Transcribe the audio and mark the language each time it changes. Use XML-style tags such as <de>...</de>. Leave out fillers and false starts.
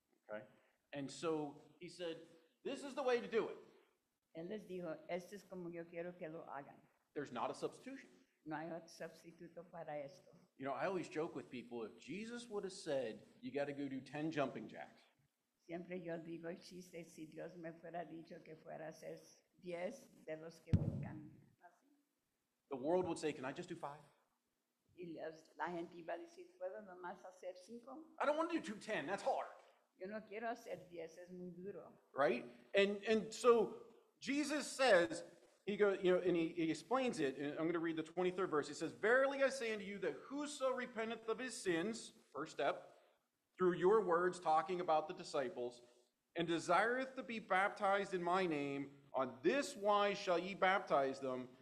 <en>Okay. And so he said, this is the way to do it.</en> <es>Él les dijo, esto es como yo quiero que lo hagan.</es> <en>There's not a substitution.</en> <es>No hay otro sustituto para esto.</es> <en>You know, I always joke with people, if Jesus would have said, you got to go do 10 jumping jacks.</en> <es>Siempre yo digo el chiste, si Dios me fuera dicho que fuera a hacer 10 de los que buscan.</es> <en>The world would say, can I just do 5?</en> <es>Y la gente iba a decir, ¿puedo nomás hacer 5?</es> <en>I don't want to do 10, that's hard.</en> <es>Yo no quiero hacer 10, es muy duro.</es> <en>Right? And so Jesus says, he goes, you know, and he explains it. And I'm going to read the 23rd verse. He says, verily I say unto you that whoso repenteth of his sins, first step, through your words talking about the disciples, and desireth to be baptized in my name, on this wise shall ye baptize them.</en>